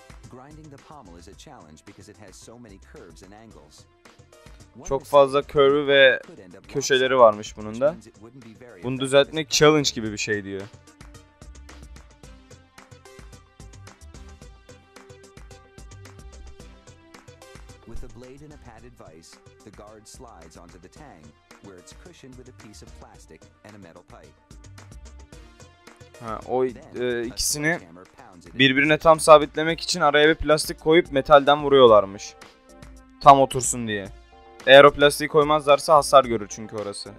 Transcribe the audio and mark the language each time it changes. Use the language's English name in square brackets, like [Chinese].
[English] Grinding the pommel is a challenge because it has so many curves and angles. [Turkish] Çok fazla curve ve köşeleri varmış bunun da. Bunu düzeltmek challenge gibi bir şey diyor. [English] With a blade and a padded vise, the guard slides onto the tang, where it's cushioned with a piece of plastic and a metal pipe. [Turkish] Ha, o ikisini birbirine tam sabitlemek için araya bir plastik koyup metalden vuruyorlarmış. Tam otursun diye. Eğer o plastiği koymazlarsa hasar görür çünkü orası.